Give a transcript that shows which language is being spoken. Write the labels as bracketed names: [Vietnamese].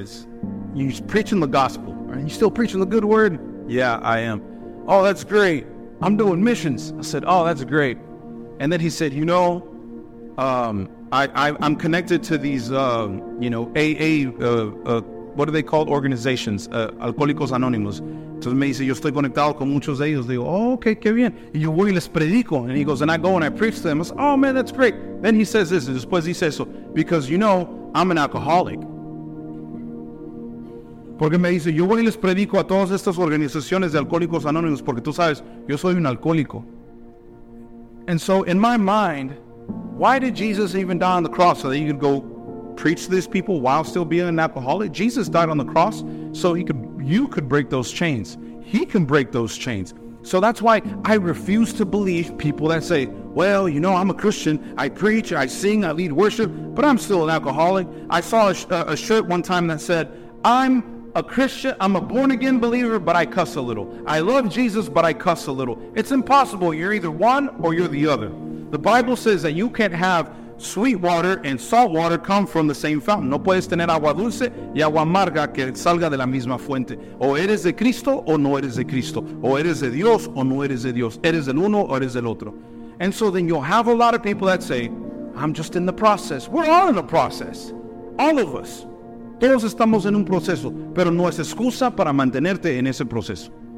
[English] It's, you're just preaching the gospel. Right? You still preaching the good word? Yeah, I am. Oh, that's great. I'm doing missions. I said, oh, that's great. And then he said, you know, I'm connected to these, AA, what are they called? Organizations, Alcohólicos Anónimos. [Spanish] Entonces me dice, yo estoy conectado con muchos de ellos. Digo, oh, okay, qué bien. Y yo voy y les predico. [English] And he goes, and I go and I preach to them. I say, oh, man, that's great. Then he says this, and después he says, so, because, you know, I'm an alcoholic. [Spanish] Porque me dice, yo voy y les predico a todas estas organizaciones de alcohólicos anónimos, porque tú sabes, yo soy un alcohólico. [English] And so in my mind, why did Jesus even die on the cross so that he could go preach to these people while still being an alcoholic? Jesus died on the cross so you could break those chains. He can break those chains. So that's why I refuse to believe people that say, well, you know, I'm a Christian. I preach, I sing, I lead worship, but I'm still an alcoholic. I saw a shirt one time that said, I'm a Christian, I'm a born-again believer, but I cuss a little. I love Jesus, but I cuss a little. It's impossible. You're either one or you're the other. The Bible says that you can't have sweet water and salt water come from the same fountain. [Spanish] No puedes tener agua dulce y agua amarga que salga de la misma fuente. O eres de Cristo o no eres de Cristo. O eres de Dios o no eres de Dios. Eres del uno o eres del otro. [English] And so then you'll have a lot of people that say, I'm just in the process. We're all in the process. All of us. [Spanish] Todos estamos en un proceso, pero no es excusa para mantenerte en ese proceso.